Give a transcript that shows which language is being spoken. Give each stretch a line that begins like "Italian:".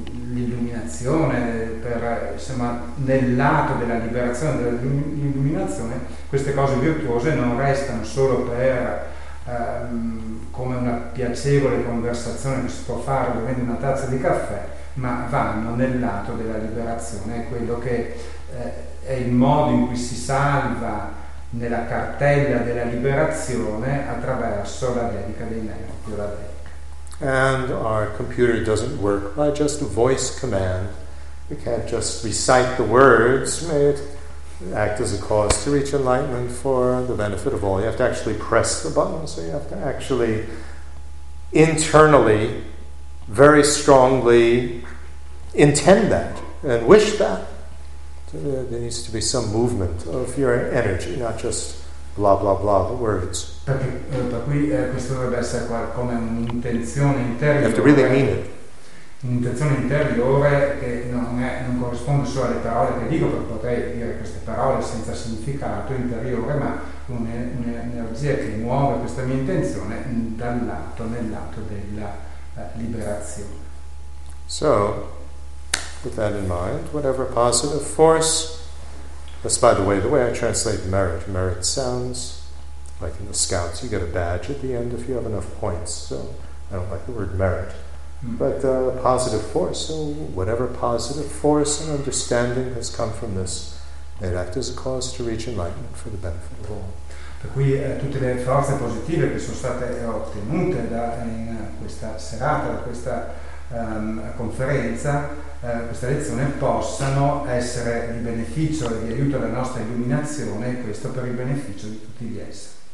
Italian: l'illuminazione, per, insomma, nel lato della liberazione, dell'illuminazione, queste cose virtuose non restano solo per come una piacevole conversazione che si può fare bevendo una tazza di caffè, ma vanno nel lato della liberazione, quello che è il modo in cui si salva nella cartella della liberazione attraverso la dedica dei meriti o la dedica.
English: And our computer doesn't work by just voice command. We can't just recite the words, may it act as a cause to reach enlightenment for the benefit of all. You have to actually press the button, so you have to actually internally, very strongly intend that and wish that. So there needs to be some movement of your energy, not just blah blah blah the words.
Italian: Questo dovrebbe essere come un'intenzione interiore.
English: You have to really mean it.
Italian: Un'intenzione interiore che non corrisponde solo alle parole che dico, perché potrei dire queste parole senza significato interiore, ma un'energia che muove questa mia intenzione dal lato, nel lato della liberazione.
English: So, with that in mind, whatever positive force, that's by the way I translate merit. Merit sounds like in the Scouts, you get a badge at the end if you have enough points, so I don't like the word merit. But positive force, so whatever positive force and understanding has come from this, may it act as a cause to reach enlightenment for the benefit of all.
Italian: Per cui tutte le forze positive che sono state ottenute in questa serata, da questa conferenza, questa lezione, possano essere di beneficio e di aiuto alla nostra illuminazione, e questo per il beneficio di tutti gli esseri.